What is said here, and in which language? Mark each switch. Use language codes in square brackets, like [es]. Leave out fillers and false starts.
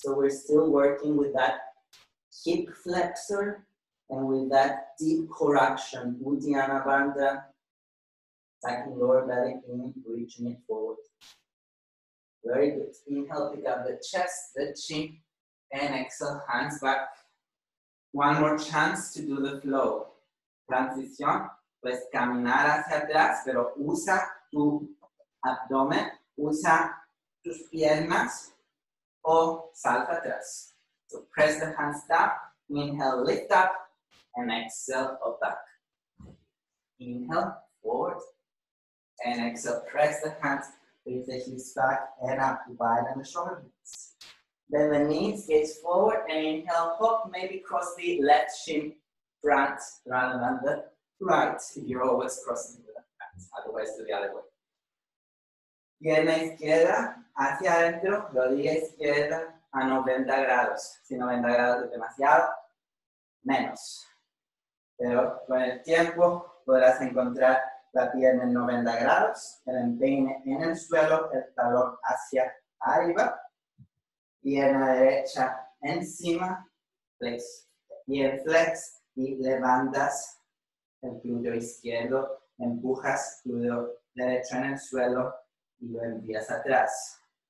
[en] So we're still working with that hip flexor and with that deep core action, Uddiyana Bandha, sucking lower belly in, reaching it forward. Very good. Inhale, pick up the chest, the chin, and exhale, hands back. One more chance to do the flow. [es] Transición, pues caminar hacia atrás, pero usa tu abdomen, usa tus piernas o salta atrás. [en] So press the hands down, inhale, lift up, and exhale, up back. Inhale, forward, and exhale, press the hands, lift the heels back, and up, widen the shoulder blades. Bend the knees, gaze forward, and inhale, hop, maybe cross the left shin front rather than the right, if you're always crossing the left hand, otherwise do the other way. [es] Pierna izquierda, hacia adentro, rodilla izquierda, a 90 grados. Si 90 grados es demasiado, menos. Pero con el tiempo podrás encontrar la pierna en 90 grados, el empeine en el suelo, el talón hacia arriba, pierna derecha encima, flex, pie flex y levantas el glúteo izquierdo, empujas glúteo derecho en el suelo y lo envías atrás.